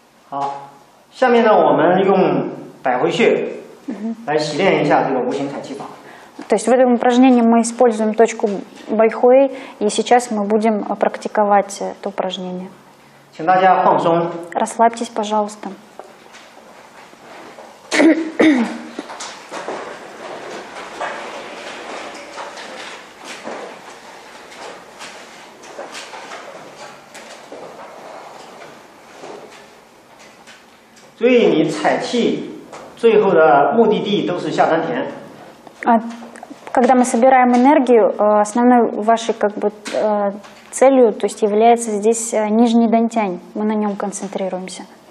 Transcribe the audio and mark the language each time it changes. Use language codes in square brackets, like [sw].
[zh] 好，下面呢我们用百会穴来习练一下这个无形采气法。 [ru] То есть в этом упражнении мы используем точку Байхуэй и сейчас мы будем практиковать это упражнение. [zh] 请大家放松。 [ru] Расслабьтесь, пожалуйста. [zh] 所以你采气最后的目的地都是下丹田。 [ru] А когда мы собираем энергию, основной вашей как бы целью, то есть является здесь нижний дантянь. Мы на нем концентрируемся.